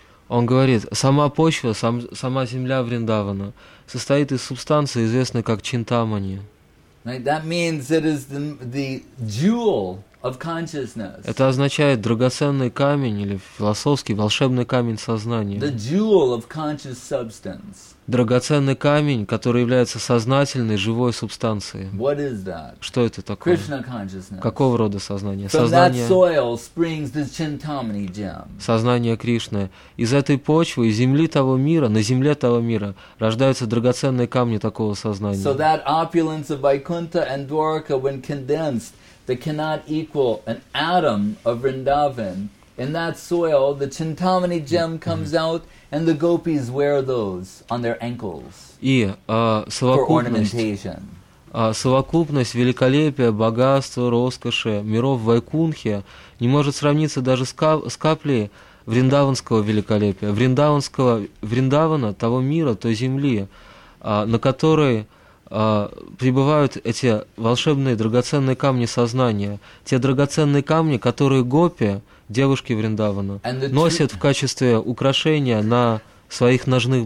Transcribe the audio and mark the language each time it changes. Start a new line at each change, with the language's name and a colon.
Russian: Он говорит, сама почва, сама земля Вриндавана состоит из субстанции, известной как чинтамани.
English: Right, that means it is the jewel of consciousness.
Russian: Это означает драгоценный камень или философский волшебный камень сознания.
English: The jewel of conscious substance.
Russian: Драгоценный камень, который является сознательной, живой субстанцией.
English: What is that?
Russian: Что это такое?
English: Krishna consciousness.
Russian: Какого рода сознание?
English: From сознание... that soil springs the Chintamani gem.
Russian: Сознание Кришны. Из этой почвы, из земли того мира, на земле того мира, рождаются драгоценные камни такого сознания.
English: So that opulence of Vaikuntha and Dwarka, when condensed, they cannot equal an atom of Vrindavan. In that soil, the Chintamani gem comes out, and the gopis wear those on their ankles for ornamentation.
Russian: Совокупность великолепия, богатства, роскоши миров Вайкунхе не может сравниться даже с каплей вриндаванского великолепия, вриндаванского, вриндавана, того мира, той земли, на которой прибывают эти волшебные драгоценные камни сознания, те драгоценные камни, которые гопи, девушки Вриндавана, носят в качестве украшения на своих ножных